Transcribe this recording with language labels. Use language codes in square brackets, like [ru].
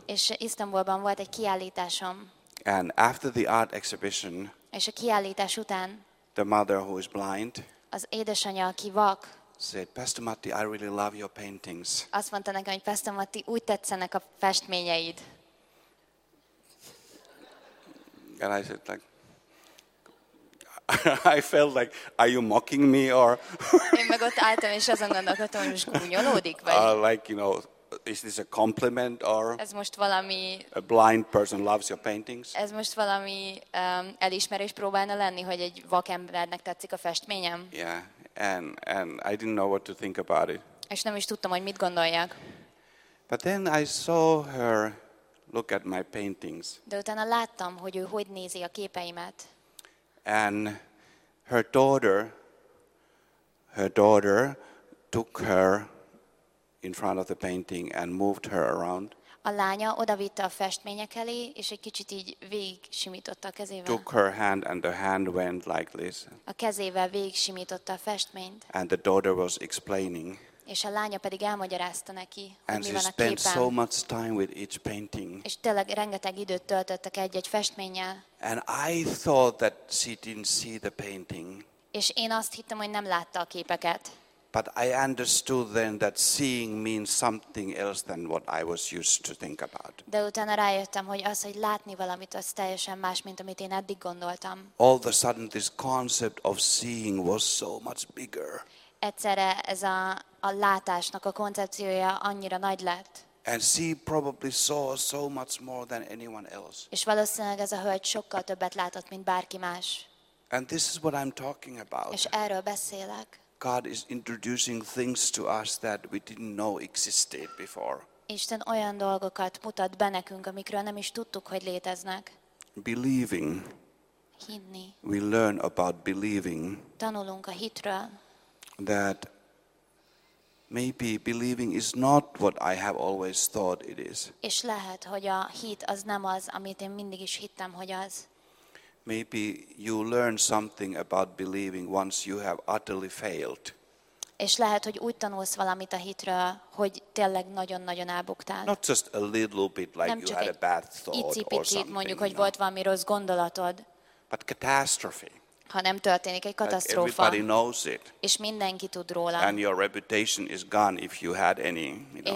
[hu] És Isztambulban volt egy kiállításom. [en] And after the art exhibition, [hu] és a kiállítás után, [en] the mother who is blind, [hu] az édesanyja, aki vak, [en] said, Pastor Matti, I really love your paintings. [hu] Azt mondta nekem, hogy Pastor Matti, úgy tetszenek a festményeid. [en] And I said, like, I felt like, are you mocking me or? [hu] Én meg ott álltam, és azon gondolkodtam, hogy most gúnyolódik vagy. [en] Like, you know, is this a compliment or? [hu] Ez most valami. [en] A blind person loves your paintings. [hu] Ez most valami elismerés próbálna lenni, hogy egy vak embernek tetszik a festményem. [en] Yeah, and I didn't know what to think about it. [hu] És nem is tudtam, hogy mit gondoljak. [en] But then I saw her look at my paintings. [hu] De utána láttam, hogy ő hogy nézi a képeimet. [en] And her daughter took her in front of the painting and moved her around. [hu] A lánya odavitte a festmények elé, és egy kicsit így végigsimította a kezével. [en] Took her hand and the hand went like this. [hu] A kezével végigsimította a festményt. [en] And the daughter was explaining. [hu] És a lánya pedig elmagyarázta neki, hogy mi van a képen. [en] And she spent so much time with each painting. [hu] És tényleg rengeteg időt töltöttek egy-egy festménnyel. [en] And I thought that she didn't see the painting. [hu] És én azt hittem, hogy nem látta a képeket. [en] But I understood then that seeing means something else than what I was used to think about. [hu] De utána rájöttem, hogy az, hogy látni valamit, az teljesen más, mint amit én eddig gondoltam. [en] All of a sudden this concept of seeing was so much bigger. [hu] Egyszerre ez a látásnak a koncepciója annyira nagy lett. [en] And she probably saw so much more than anyone else. [hu] És valószínűleg ez a hölgy sokkal többet látott, mint bárki más. [en] And this is what I'm talking about. [hu] És erről beszélek. [en] God is introducing things to us that we didn't know existed before. [hu] Isten olyan dolgokat mutat be nekünk, amikről nem is tudtuk, hogy léteznek. [en] Believing. [hu] Hinni. [en] We learn about believing. [hu] Tanulunk a hitről. [en] That maybe believing is not what I have always thought it is. [hu] És lehet, hogy a hit az nem az, amit én mindig is hittem, hogy az. [en] Maybe you learn something about believing once you have utterly failed. [hu] És lehet, hogy úgy tanulsz valamit a hitre, hogy tényleg nagyon-nagyon elbuktál. [en] Not just a little bit like you had a bad thought or something. [hu] Nem csak egy mondjuk, hogy volt valami rossz gondolatod. [en] But catastrophe. [hu] Hanem történik egy katasztrófa. [en] Everybody knows it. [hu] És mindenki tud róla. [en] And your reputation is gone if you had any, you know.